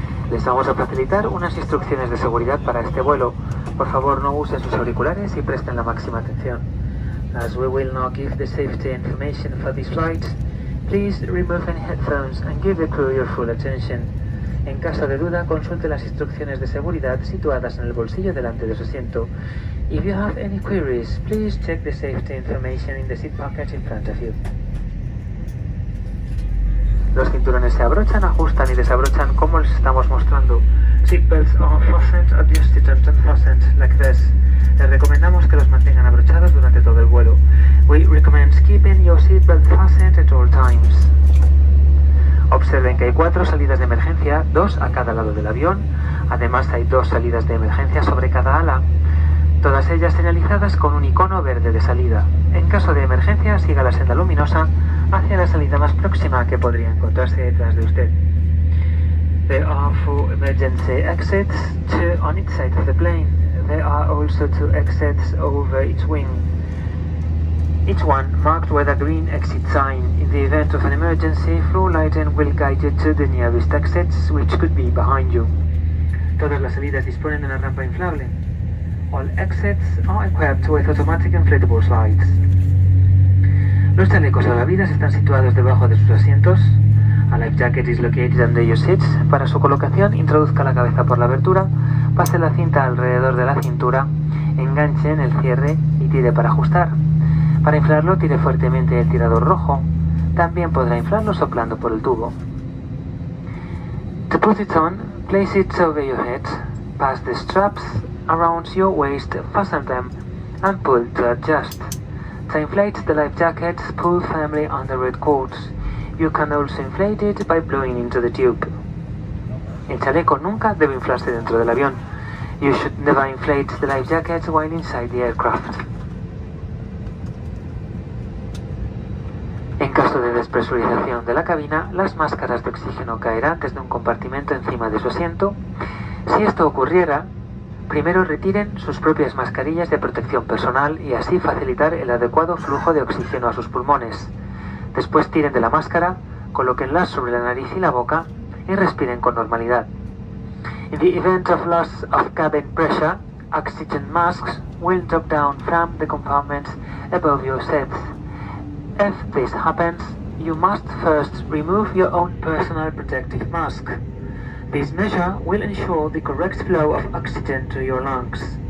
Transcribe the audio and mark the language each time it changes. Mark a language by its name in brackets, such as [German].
[Spanish] Les vamos a facilitar unas instrucciones de seguridad para este vuelo. Por favor, no usen sus auriculares y presten la máxima atención. [English] As we will now give the safety information for this flight, please remove any headphones and give the crew your full attention. [Spanish] En caso de duda, consulte las instrucciones de seguridad situadas en el bolsillo delante de su asiento. [English] If you have any queries, please check the safety information in the seat pocket in front of you. [Spanish] Los cinturones se abrochan, ajustan y desabrochan como les estamos mostrando. [English] Seatbelts are fastened, adjusted and unfastened like this. [Spanish] Les recomendamos que los mantengan abrochados durante todo el vuelo. [English] We recommend keeping your seatbelt fastened at all times. [Spanish] Observen que hay 4 salidas de emergencia, 2 a cada lado del avión. Además, hay 2 salidas de emergencia sobre cada ala, todas ellas señalizadas con un icono verde de salida. En caso de emergencia, siga la senda luminosa hacia la salida más próxima que podría encontrarse detrás de usted. [English] There are 4 emergency exits, 2 on each side of the plane. There are also 2 exits over each wing. Each one marked with a green exit sign. In the event of an emergency, floor lighting will guide you to the nearest exits, which could be behind you. [Spanish] Todas las salidas disponen de una rampa inflable. [English] All exits are equipped with automatic inflatable slides. [Spanish] Los chalecos salvavidas están situados debajo de sus asientos. [English] A life jacket is located under your seats. [Spanish] Para su colocación, introduzca la cabeza por la abertura, pase la cinta alrededor de la cintura, enganche en el cierre y tire para ajustar. Para inflarlo, tire fuertemente el tirador rojo. También podrá inflarlo soplando por el tubo. [English] To put it on, place it over your head, pass the straps around your waist, fasten them, and pull to adjust. To inflate the life jacket, pull firmly on the red cords. You can also inflate it by blowing into the tube. [Spanish] El chaleco nunca debe inflarse dentro del avión. [English] You should never inflate the life jacket while inside the aircraft. [Spanish] En caso de despresurización de la cabina, las máscaras de oxígeno caerán desde un compartimento encima de su asiento. Si esto ocurriera, primero retiren sus propias mascarillas de protección personal y así facilitar el adecuado flujo de oxígeno a sus pulmones. Después tiren de la máscara, colóquenla sobre la nariz y la boca y respiren con normalidad. [English] In the event of loss of cabin pressure, oxygen masks will drop down from the compartments above your seats. If this happens, you must first remove your own personal protective mask. This measure will ensure the correct flow of oxygen to your lungs.